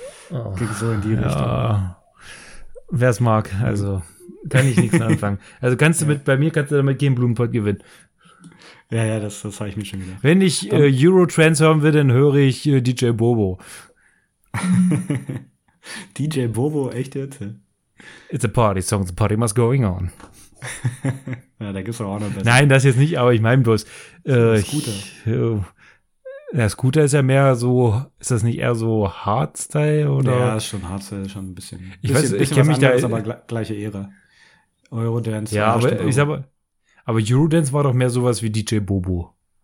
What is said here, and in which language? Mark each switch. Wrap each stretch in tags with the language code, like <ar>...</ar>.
<de>Oh, ging so in die Richtung. Wer es mag, also kann ich nichts anfangen. Also kannst du bei mir kannst du damit gehen, Blumenpott gewinnen. Ja, das habe ich mir schon gedacht. Wenn ich Eurotrance hören will, dann höre ich DJ Bobo. DJ Bobo, echt jetzt?</de> <en>It's a party song, the party must going on.</en> <de>Ja, da gibt es auch noch besser. Nein, das jetzt nicht, aber ich meine bloß. Scooter. Scooter ist ja mehr so, ist das nicht eher so Hardstyle? Oder? Ja, ist schon Hardstyle, schon ein bisschen. Ich kenne mich anderes, da. Aber gleiche Ära. Eurodance. Ja, aber ich sag mal, aber Eurodance war doch mehr sowas wie DJ Bobo.</de>